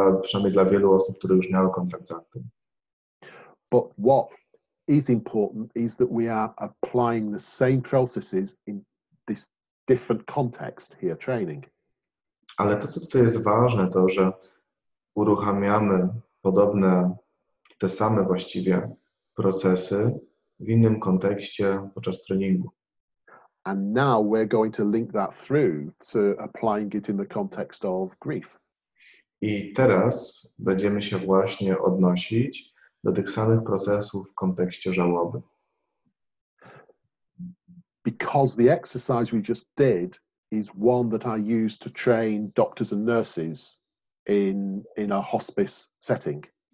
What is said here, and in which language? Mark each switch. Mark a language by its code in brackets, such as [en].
[pl] Przynajmniej dla wielu osób, które już miały kontakt z aktem. [en] But what is important is that we are applying the same processes in this different context here, training. [pl] Ale to, co tutaj jest ważne, to, że uruchamiamy podobne, te same właściwie procesy w innym kontekście podczas treningu. [en] And now we're going to link that through to applying it in the context of grief. [pl] I teraz będziemy się właśnie odnosić do tych samych procesów w kontekście żałoby. [en] Because the exercise we just did is one that I use to train doctors and nurses in a hospice setting.